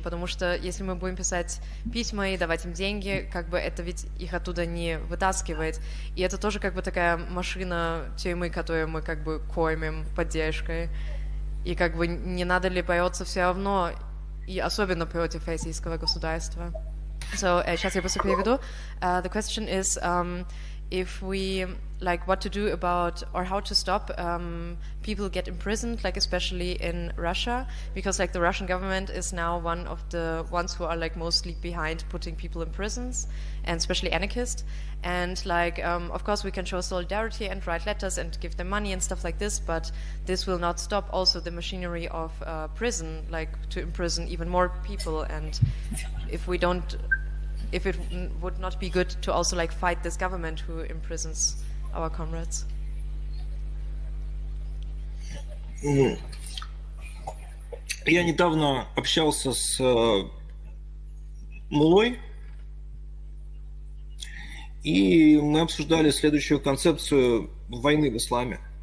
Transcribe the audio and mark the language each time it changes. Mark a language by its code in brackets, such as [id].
[ru] Потому что если мы будем писать письма и давать им деньги, как бы это ведь их оттуда не вытаскивает. И это тоже как бы такая машина тюрьмы, которую мы как бы кормим поддержкой. И как бы не надо ли бороться все равно, и особенно против российского государства. So, сейчас я просто переведу. [en] The question is, if we, like, what to do about, or how to stop people get imprisoned, like, especially in Russia, because, like, the Russian government is now one of the ones who are, like, mostly behind putting people in prisons, and especially anarchists. And, like, of course, we can show solidarity and write letters and give them money and stuff like this, but this will not stop also the machinery of prison, like, to imprison even more people. And if we don't, if it would not be good to also, like, fight this government who imprisons our comrades. [ru] Я недавно общался с Мулой, и мы обсуждали следующую концепцию войны в исламе.